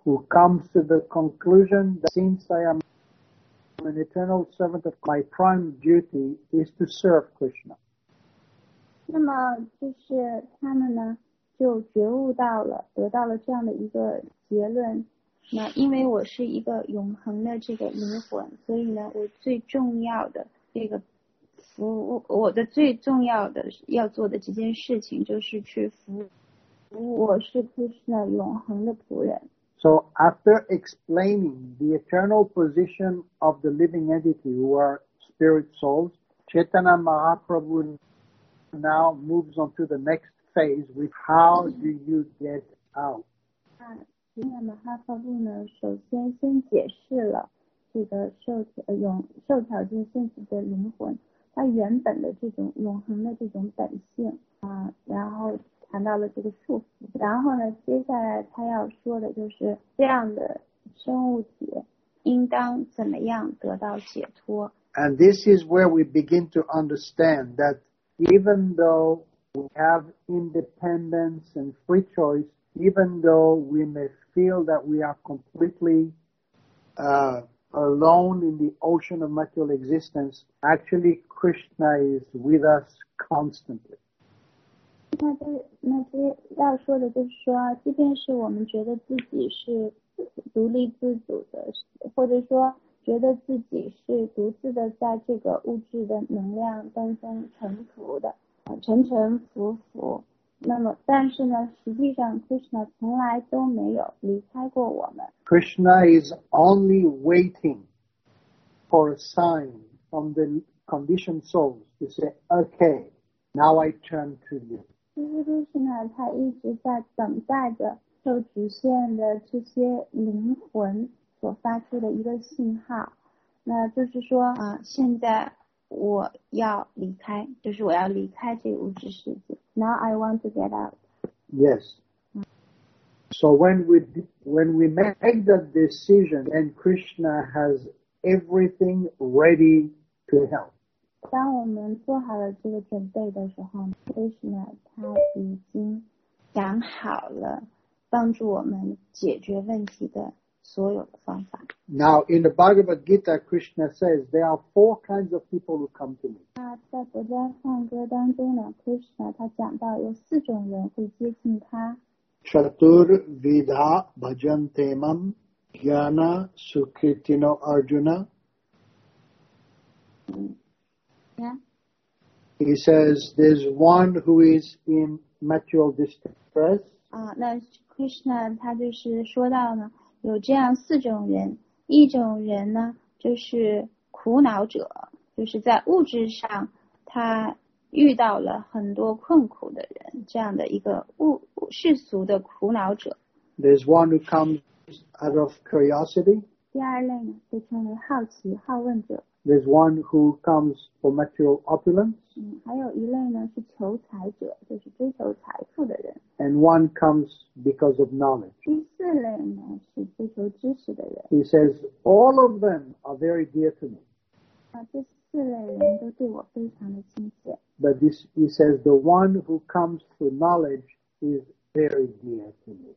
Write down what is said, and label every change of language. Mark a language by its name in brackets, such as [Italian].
[English] Who comes to the conclusion that since I am an eternal servant, of my prime duty is to serve Krishna. [Chinese] 那么就是他们呢，就觉悟到了，得到了这样的一个结论。那因为我是一个永恒的这个灵魂，所以呢，我最重要的这个。我的最重要的要做的这件事情就是去服务，我是就是那永恒的仆人。 [English] So after explaining the eternal position of the living entity who are spirit souls, Chaitanya Mahaprabhu now moves on to the next phase with how do you get out. [Chinese] Chaitanya Mahaprabhu 呢，首先先解释了这个受条件限制的灵魂。他原本的这种永恒的这种本性然后谈到了这个束缚，然后呢接下来他要说的就是这样的生物体应当怎么样得到解脱。 [English] And this is where we begin to understand that even though we have independence and free choice, even though we may feel that we are completely alone in the ocean of material existence, actually Krishna is with us constantly. [Chinese] 那这要说的就是说，即便是我们觉得自己是独立自主的，或者说觉得自己是独自的在这个物质的能量当中沉浮的，沉沉浮浮，那么但是呢，实际上 Krishna 从来都没有离开过我们。 [English] Krishna is only waiting for a sign from the conditioned souls to say, okay, now I turn to you. [Chinese] Krishna 他一直在等待着受局限的这些灵魂所发出的一个信号，那就是说啊，现在我要离开，就是我要离开这个物质世界。 [English] Now I want to get out. Yes. So when we make the decision, then Krishna has everything ready to help. [Chinese] 当我们做好了这个准备的时候 ，Krishna 他已经想好了帮助我们解决问题的所有的方法。 [English] Now in the Bhagavad Gita, Krishna says there are four kinds of people who come to me. [Chinese] 那在佛家颂歌当中呢 ，Krishna 他讲到有四种人会接近他。 [Sanskrit] Chatur Vidha Bhajante Mam Jnana Sukritino Arjuna. [English] Yeah. He says there's one who is in material distress. [Chinese] 那 Krishna 他就是说到呢。有这样四种人，一种人呢就是苦恼者，就是在物质上他遇到了很多困苦的人，这样的一个世俗的苦恼者。 [English] There's one who comes out of curiosity. [Chinese] 第二类呢被称为好奇好问者。 [English] There's one who comes for material opulence. [Chinese] 还有一类呢是求财者，就是追求财富的人。 [English] And one comes because of knowledge. [Chinese] 第四类呢是追求知识的人。 [English] He says, all of them are very dear to me. [Chinese] 这四类人都对我非常的亲切。 [English] But this, he says, the one who comes for knowledge is very dear to me.